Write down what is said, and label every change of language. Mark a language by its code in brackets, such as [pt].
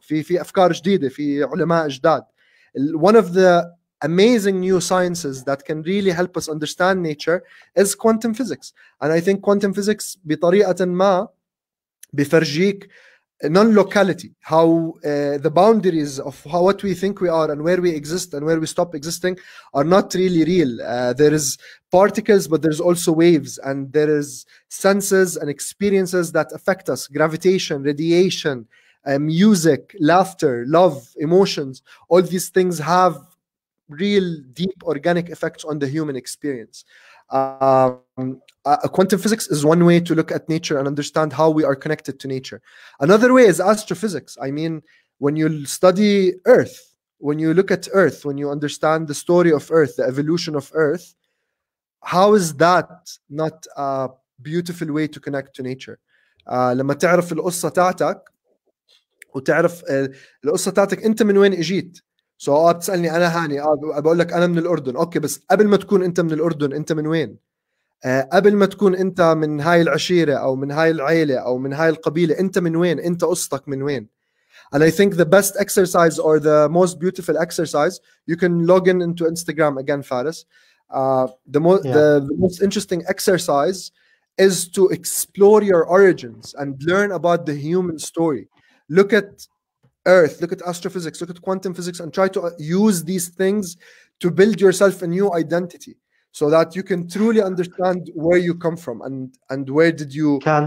[ar] في أفكار جديدة, في علماء جداد. [en] One of the amazing new sciences that can really help us understand nature is quantum physics. And I think quantum physics [ar] بطريقة ما بفرجيك [en] non-locality, how the boundaries of how what we think we are and where we exist and where we stop existing are not really real. There is particles, but there's also waves, and there is senses and experiences that affect us, gravitation, radiation, music, laughter, love, emotions, all these things have real deep organic effects on the human experience. Quantum physics is one way to look at nature and understand how we are connected to nature. Another way is astrophysics. I mean, when you study Earth, when you look at Earth, when you understand the story of Earth, the evolution of Earth, how is that not a beautiful way to connect to nature? [ar] لما تعرف القصة تاعتك وتعرف القصة تاعتك أنت من وين إجيت. [en] So [ar] بتسألني أنا هاني بقول لك أنا من الأردن. أوكي بس قبل ما تكون أنت من الأردن أنت من وين؟ قبل ما تكون أنت من هاي العشيرة أو من هاي العيلة أو من هاي القبيلة أنت من وين؟ أنت قصتك من وين؟ [en] And I think the best exercise or the most beautiful exercise, you can log in into Instagram again, Faris. The most interesting exercise is to explore your origins and learn about the human story. Look at Earth, look at astrophysics, look at quantum physics, and try to use these things to build yourself a new identity so that you can truly understand where you come from and where did you...